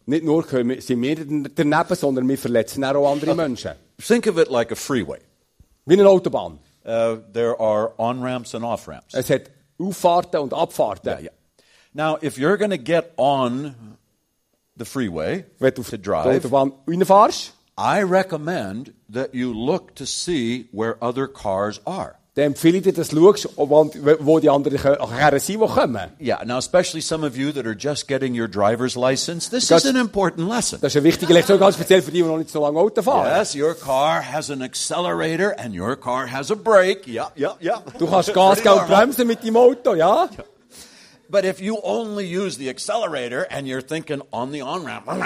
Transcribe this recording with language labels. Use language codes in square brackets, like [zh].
[de] Nicht nur sind wir daneben, sondern wir verletzen auch andere Menschen. [en] Think of it like a freeway. [de] Wie eine Autobahn. [en] There are on-ramps and off-ramps. [de] Es hat Auffahrten und Abfahrten. [en] Yeah, yeah. Now, if you're going to get on the freeway to drive, I recommend that you look to see where other cars are. [de] Dann empfehle ich dir, dass du schaust, wo die anderen Herren sind, die kommen. [en] Yeah, now especially some of you that are just getting your driver's license, this is an important lesson. [de] Das ist eine wichtige Lektion, ganz speziell für die, die noch nicht so lange Auto fahren. [en] Yes, your car has an accelerator and your car has a brake. Yep. [de] Du kannst Gas geben und bremsen mit deinem Auto, ja? [en] But if you only use the accelerator and you're thinking on the on-ramp.